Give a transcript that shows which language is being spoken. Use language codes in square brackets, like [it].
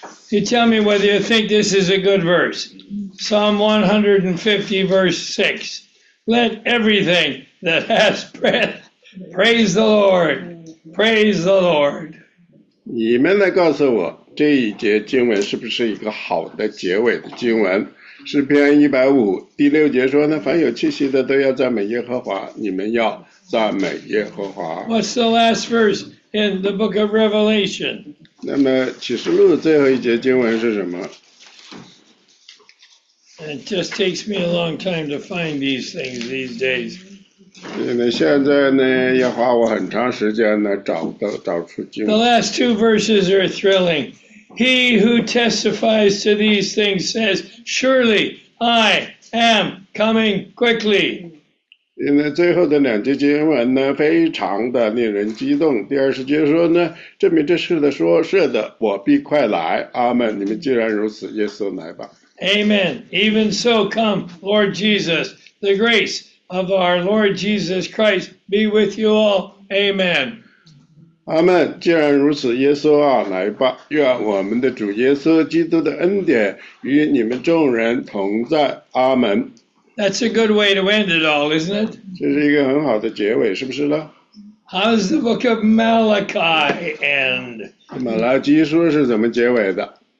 [en] You tell me whether you think this is a good verse. Psalm 150, verse 6. Let everything that has breath praise the Lord. Praise the Lord. [zh] 你们来告诉我，这一节经文是不是一个好的结尾的经文？诗篇150第六节说呢，凡有气息的都要赞美耶和华，你们要赞美耶和华。 [en] What's the last verse in the book of Revelation? [zh] 那么启示录最后一节经文是什么？ [en] It just takes me a long time to find these things these days. [zh] 现在呢要花我很长时间呢找出经文。 [en] The last two verses are thrilling. He who testifies to these things says, Surely I am coming quickly. [zh] 因为最后的两节经文呢非常的令人激动。第二十节说呢证明这事的说是的我必快来。阿们你们既然如此耶稣来吧。 [en] Amen. Even so come, Lord Jesus. The grace of our Lord Jesus Christ be with you all. Amen. [zh] 阿们既然如此耶稣啊来吧。愿我们的主耶稣基督的恩典与你们众人同在。阿们。 [en] That's a good way to end it all, isn't it? [zh] 这是一个很好的结尾，是不是呢？ [en] How does the book of Malachi end? [zh] 马拉基书是怎么结尾的？